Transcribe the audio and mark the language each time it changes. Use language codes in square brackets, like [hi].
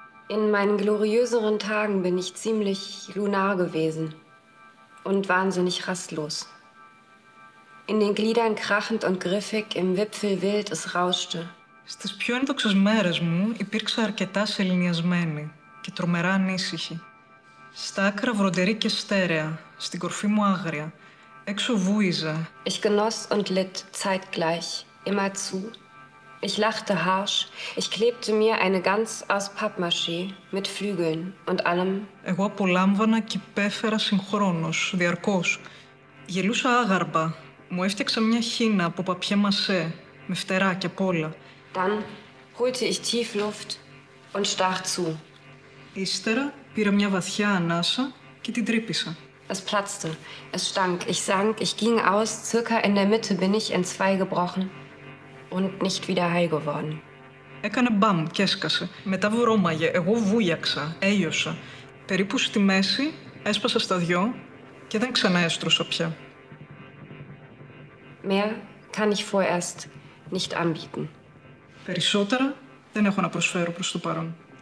[de] In meinen gloriöseren Tagen bin ich ziemlich lunar gewesen. Und wahnsinnig rastlos. In den Gliedern krachend und griffig, im Wipfel wild, es rauschte. [el] Στις πιο ένδοξες μέρες μου υπήρξα αρκετά σεληνιασμένη και τρομερά ανήσυχη. Στα άκρα βροντερή και στέρεα, στην κορφή μου άγρια, έξω βούιζα. [de] Ich genoss und litt zeitgleich, immerzu. Ich lachte harsch, ich klebte mir eine Gans aus Pappmaché mit Flügeln und allem. [el] Εγώ απολάμβανα και πέφερα συγχρόνως, διαρκώς. Γελούσα άγαρπα, μου έφτιαξα μια χήνα από παπιέ μασέ, με φτερά και πόλα. [de] Dann holte ich tief Luft und stach zu. [el] Ύστερα πήρα μια βαθιά ανάσα και την τρύπησα. [de] Es platzte, es stank, ich sank, ich ging aus, circa in der Mitte bin ich in zwei gebrochen. Und nicht wieder heil geworden. [el] Έκανε μπαμ και έσκασε. Μετά βρώμαγε. Εγώ βούλιαξα. Έλειωσα. Περίπου στη μέση έσπασα στα δυο και δεν ξαναέστρωσα πια. [de] Mehr kann ich vorerst nicht anbieten. [el] Περισσότερα δεν έχω να προσφέρω προς το παρόν.